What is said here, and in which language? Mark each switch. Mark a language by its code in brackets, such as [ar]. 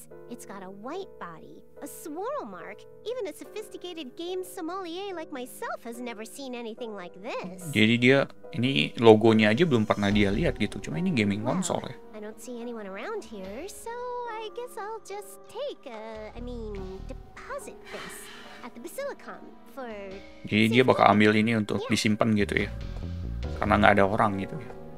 [en] It's got a white body, a swirl mark. Even a sophisticated game sommelier like myself has never seen anything like this. [id] Jadi dia ini logonya aja belum pernah dia lihat gitu. Cuma ini gaming konsol ya. [en] I don't see anyone around here, so I guess I'll just take a, I mean, deposit this at the Basilicum for. [id] Jadi dia bakal ambil ini untuk disimpan gitu ya. Karena nggak ada orang gitu ya.